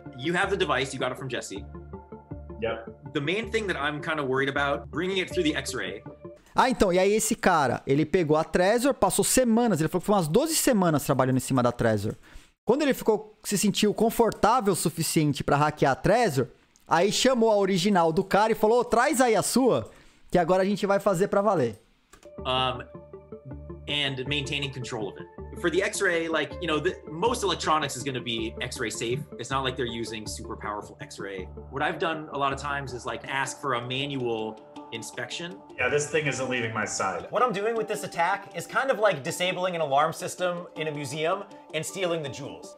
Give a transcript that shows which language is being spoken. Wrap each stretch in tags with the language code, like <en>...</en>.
<en>You have the device, you got it from Jesse. Yep. The main thing that I'm kind of worried about, bringing it through the X-ray.</en> <pt>Ah, então, e aí esse cara, ele pegou a Trezor, passou semanas, ele falou que foi umas 12 semanas trabalhando em cima da Trezor. Quando ele ficou, se sentiu confortável o suficiente pra hackear a Trezor, aí chamou a original do cara e falou, traz aí a sua, que agora a gente vai fazer pra valer.</pt> <en>And maintaining control of it. For the X-ray, like, you know, the, most electronics is going to be X-ray safe. It's not like they're using super powerful X-ray. What I've done a lot of times is, like, ask for a manual inspection. Yeah, this thing isn't leaving my side. What I'm doing with this attack is kind of like disabling an alarm system in a museum and stealing the jewels.</en>